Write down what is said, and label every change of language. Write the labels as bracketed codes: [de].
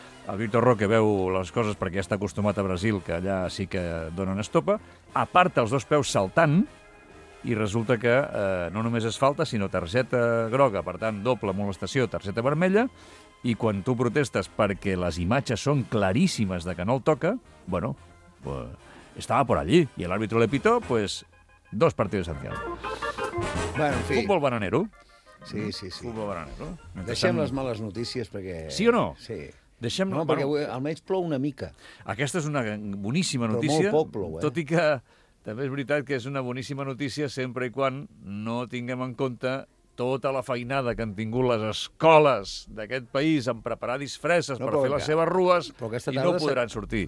[ca] El Víctor Roque veu les coses perquè ja està acostumat a Brasil, que allà sí que donen estopa, aparta els dos peus saltant i resulta que no només és falta, sinó targeta groga, per tant, doble molestació, targeta vermella, i quan tu protestes perquè les imatges són claríssimes de que no el toca, bueno, [es] estaba por allí. Y el árbitro le pitó, pues, dos partidos de sanción. [ca] Bueno, en fi. Futbol bananero. Sí, sí, sí. Futbol bananero. Deixem les males notícies perquè... Sí o no? Sí. Deixem... No, perquè avui, almenys plou una mica. Aquesta és una boníssima notícia. Però molt poc plou, eh? Tot i que també és veritat que és una boníssima notícia sempre i quan no tinguem en compte tota la feinada que han tingut les escoles d'aquest país en preparar disfresses no, per fer les seves rues i no podran sortir.